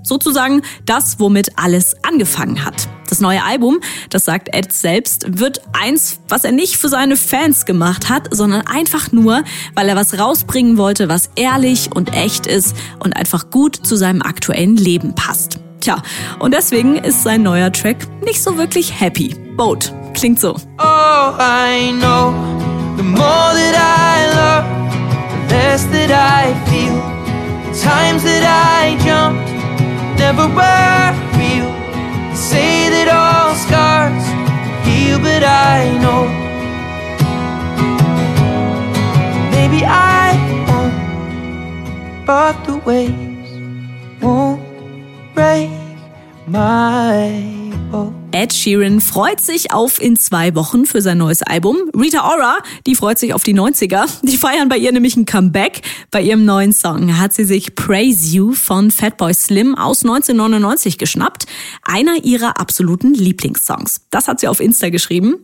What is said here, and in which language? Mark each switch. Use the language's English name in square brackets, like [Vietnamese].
[German] Sozusagen das, womit alles angefangen hat. Das neue Album, das sagt Ed selbst, wird eins, was er nicht für seine Fans gemacht hat, sondern einfach nur, weil er was rausbringen wollte, was ehrlich und echt ist und einfach gut zu seinem aktuellen Leben passt. Tja, und deswegen ist sein neuer Track nicht so wirklich happy. Boat klingt so. [English] Oh, I know, the more that I love, the less that I feel, the times that I jumped, never were real. Say that all scars heal, but I know. Maybe I won't, but the waves won't break my boat. [German] Ed Sheeran freut sich auf in 2 Wochen für sein neues Album. Rita Ora, die freut sich auf die 90er. Die feiern bei ihr nämlich ein Comeback. Bei ihrem neuen Song hat sie sich Praise You von Fatboy Slim aus 1999 geschnappt. Einer ihrer absoluten Lieblingssongs. Das hat sie auf Insta geschrieben.